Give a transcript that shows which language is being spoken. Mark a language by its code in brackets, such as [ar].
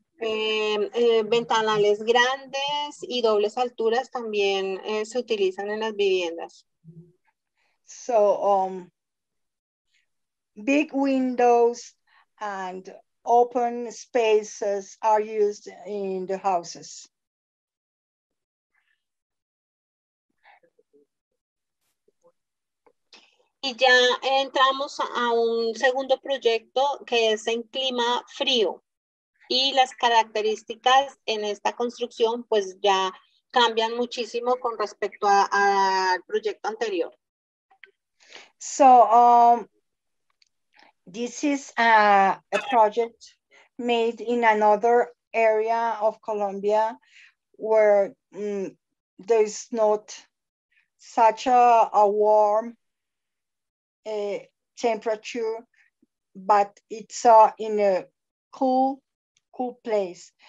[es] Ventanales grandes y dobles alturas también se utilizan en las viviendas. [en] So, big windows and open spaces are used in the houses. [es] Y ya entramos a un segundo proyecto que es en clima frío. Y las características en esta construcción, pues ya cambian muchísimo con respecto al proyecto anterior. [en] So, this is a project made in another area of Colombia where there is not such a warm temperature, but it's in a cool place.